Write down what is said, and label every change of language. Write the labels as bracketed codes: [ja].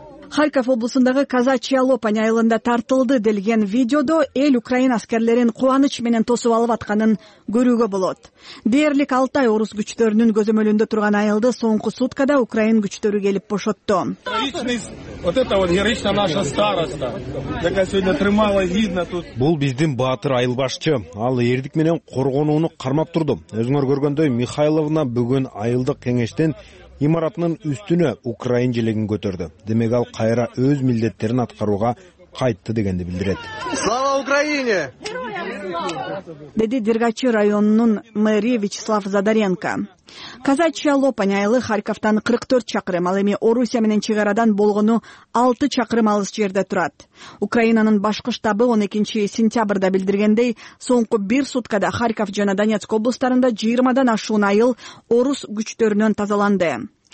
[ky] Харьков облусундагы Казачья Лопань айылында тартылды делген видеодо эл украин аскерлерин кубаныч менен тосуп алып атканын көрүүгө болот. Дээрлик 6 ай орус күчтөрүнүн көзөмөлүндө турган айылды соңку суткада украин күчтөрү келип бошотту. [uk] Вот это вот героична наша староста, якая сегодня трымала гидно тут. [ky] Бул биздин баатыр айылбашчы. Ал эрдик менен коргонууну кармап турду. Өзүңөр көргөндөй Михайловна бүгүн айылдык кеңештен имаратынын үстүнө украин желегин көтөрдү. Демек ал кайра өз милдеттерин аткарууга кайтты дегенди билдирет. [ru] Слава Украине! [ky] Деди Дергачи районунун мэри Вячеслав Задаренко. Казачья Лопань айылы Харьковтан 44 чакырым, ал эми Орусия менен чек арадан болгону 6 чакырым алыс жерде турат. Украинанын башкы штабы 12 сентябрда билдиргендей, соңку бир суткада Харьков жана Донецк облустарында 20 ашуун айыл орус күчтөрүнөн тазаланды.